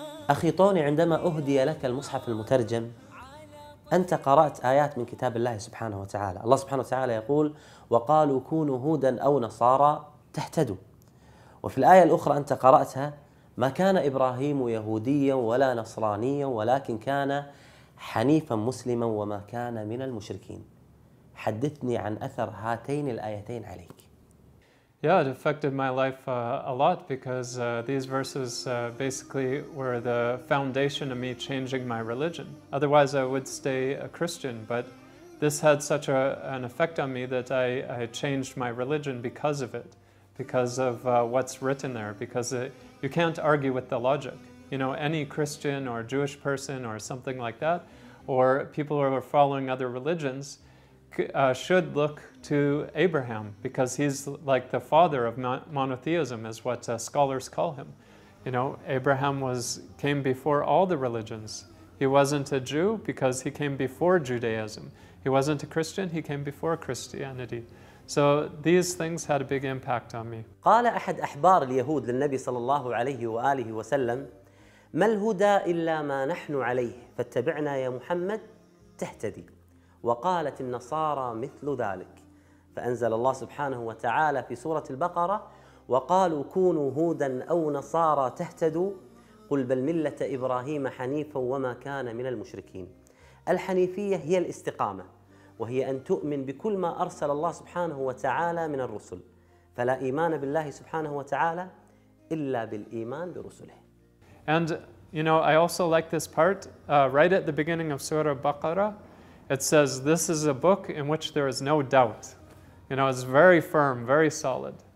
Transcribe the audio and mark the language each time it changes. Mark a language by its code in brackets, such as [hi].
[ar] أخي طوني عندما أهدي لك المصحف المترجم أنت قرأت آيات من كتاب الله سبحانه وتعالى الله سبحانه وتعالى يقول وقالوا كونوا هودا أو نصارى تهتدوا وفي الآية الأخرى أنت قرأتها ما كان إبراهيم يهوديا ولا نصرانيا ولكن كان حنيفا مسلما وما كان من المشركين حدثني عن أثر هاتين الآيتين عليك. [en] Yeah, it affected my life a lot because these verses basically were the foundation of me changing my religion. Otherwise, I would stay a Christian, but this had such an effect on me that I changed my religion because of it, because of what's written there, because you can't argue with the logic. You know, any Christian or Jewish person or something like that, or people who are following other religions, should look to Abraham because he's like the father of monotheism, is what scholars call him. You know, Abraham came before all the religions. He wasn't a Jew because he came before Judaism. He wasn't a Christian, he came before Christianity. So these things had a big impact on me. [ar] قال أحد أحبار اليهود للنبي صلى الله عليه وآله وسلم ما الهدى إلا ما نحن عليه فاتبعنا يا محمد تهتدي وقالت النصارى مثل ذلك فأنزل الله سبحانه وتعالى في سورة البقرة وقالوا كونوا هودا أو نصارى تهتدوا قل بل ملة إبراهيم حنيفا وما كان من المشركين. الحنيفية هي الاستقامة وهي أن تؤمن بكل ما أرسل الله سبحانه وتعالى من الرسل فلا إيمان بالله سبحانه وتعالى إلا بالإيمان برسله. [en] And you know, I also like this part right at the beginning of Surah Baqarah. It says, this is a book in which there is no doubt. You know, it's very firm, very solid.